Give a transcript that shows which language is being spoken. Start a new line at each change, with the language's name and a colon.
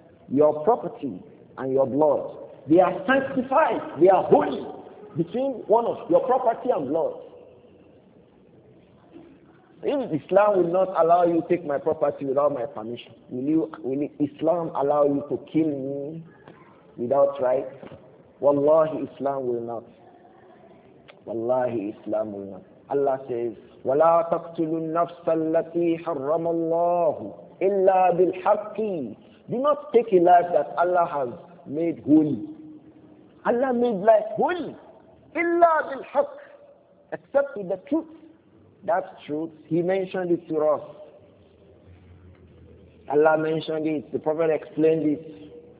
English: Your property and your blood, they are sanctified, they are holy between one of your property and blood. If Islam will not allow you to take my property without my permission, will Islam allow you to kill me without right? Wallahi, Islam will not. Wallahi, Islam will not. Allah says,
Arabic: وَلَا تَقْتُلُ النَّفْسَ الَّتِي حَرَّمَ اللَّهُ إِلَّا بِالْحَقِّ.
English: Do not take a life that Allah has made holy. Allah made life holy.
Arabic: إِلَّا بِالْحَقِّ.
English: Except with the truth. That's truth. He mentioned it to us. Allah mentioned it. The Prophet explained it.